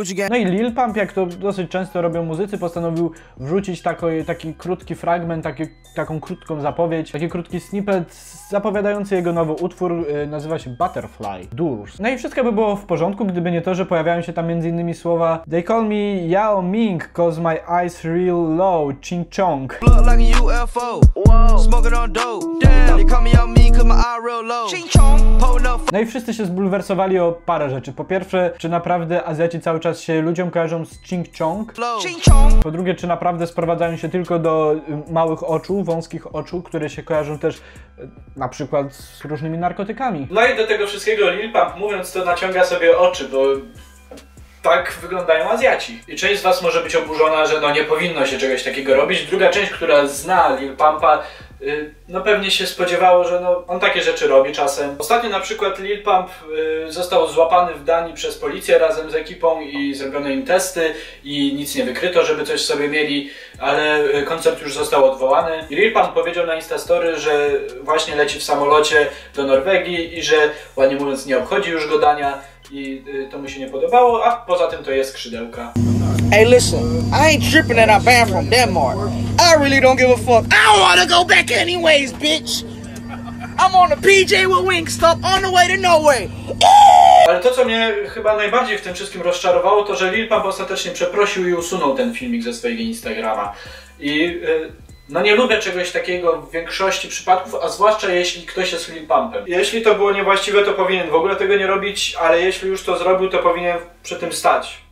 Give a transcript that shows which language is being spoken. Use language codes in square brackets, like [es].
[pl] No i Lil Pump, jak to dosyć często robią muzycy, postanowił wrzucić taki krótki fragment, taką krótką zapowiedź, taki krótki snippet zapowiadający jego nowy utwór, nazywa się Butterfly Durs. No i wszystko by było w porządku, gdyby nie to, że pojawiają się tam m.in. [en] słowa They call me Yao Ming, cause my eyes real low, ching chong. Look like a UFO, smoking on dope, damn. They call me Yao Ming, cause my eyes real low, ching chong. [pl] No i wszyscy się zbulwersowali o parę rzeczy. Po pierwsze, czy naprawdę Azjaci cały czas się ludziom kojarzą z ching chong? Po drugie, czy naprawdę sprowadzają się tylko do małych oczu, wąskich oczu, które się kojarzą też na przykład z różnymi narkotykami? No i do tego wszystkiego Lil Pump, mówiąc to, naciąga sobie oczy, bo tak wyglądają Azjaci. I część z was może być oburzona, że no nie powinno się czegoś takiego robić. Druga część, która zna Lil Pumpa, no pewnie się spodziewało, że no on takie rzeczy robi czasem. Ostatnio na przykład Lil Pump został złapany w Danii przez policję razem z ekipą i zrobiono im testy i nic nie wykryto, żeby coś sobie mieli, ale koncert już został odwołany. I Lil Pump powiedział na Instastory, że właśnie leci w samolocie do Norwegii i że ładnie mówiąc nie obchodzi już go Dania i to mu się nie podobało, a poza tym to jest skrzydełka. [en] Hey listen, I ain't tripping that I banned from Denmark. I really don't give a fuck. I don't wanna go back anyways, bitch. I'm on a PJ with Wingstop on the way to Norway. [pl] Ale to, co mnie chyba najbardziej w tym wszystkim rozczarowało, to że Lil Pump ostatecznie przeprosił i usunął ten filmik ze swojego Instagrama. I no nie lubię czegoś takiego w większości przypadków, a zwłaszcza jeśli ktoś jest Lil Pumpem. Jeśli to było niewłaściwe, to powinien w ogóle tego nie robić, ale jeśli już to zrobił, to powinien przy tym stać.